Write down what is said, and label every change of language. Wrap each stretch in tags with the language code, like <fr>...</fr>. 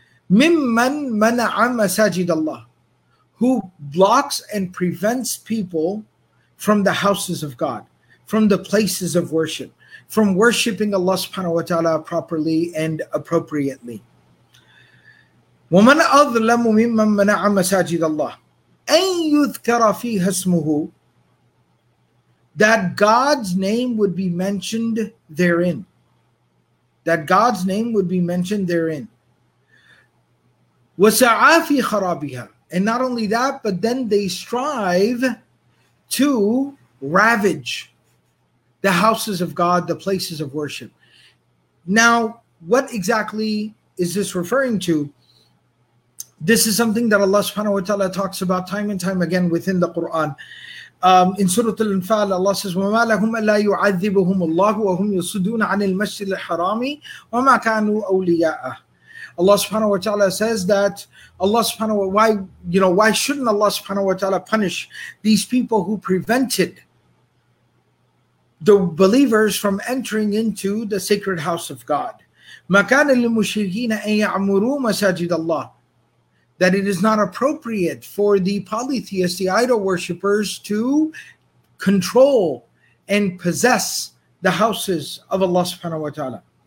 <ar>مِمَّنْ مَنَعَ مَسَاجِدَ اللَّهِ,</ar> <en>who blocks and prevents people from the houses of God, from the places of worship, from worshiping Allah subhanahu wa ta'ala properly and appropriately.</en> <ar>وَمَنْ أَظْلَمُ مِمَّنْ مَنَعَ مَسَاجِدَ اللَّهِ, أَنْ يُذْكَرَ فِيهَ اسْمُهُ,</ar> <en>that God's name would be mentioned therein. That God's name would be mentioned therein.</en> <ar>وَسَعَى فِي خَرَابِهَا,</ar> <en>and not only that, but then they strive to ravage the houses of God, the places of worship. Now, what exactly is this referring to? This is something that Allah subhanahu wa ta'ala talks about time and time again within the Quran. In Surah Al-Anfal, Allah says,</en> <ar>وَمَا لَهُمْ أَلَّا يُعَذِّبُهُمُ اللَّهُ وَهُمْ يَصُدُّونَ عَنِ الْمَسْجِدِ الْحَرَامِ وَمَا كَانُوا أَوْلِيَاءَهُ.</ar> <en>Allah subhanahu wa ta'ala says that Allah subhanahu wa ta'ala, why shouldn't Allah subhanahu wa ta'ala punish these people who prevented the believers from entering into the sacred house of God?</en> <ar>مكان للمشركين أن يعمروا مساجد الله,</ar> <en>that it is not appropriate for the polytheists, the idol worshippers, to control and possess the houses of Allah subhanahu wa ta'ala.</en>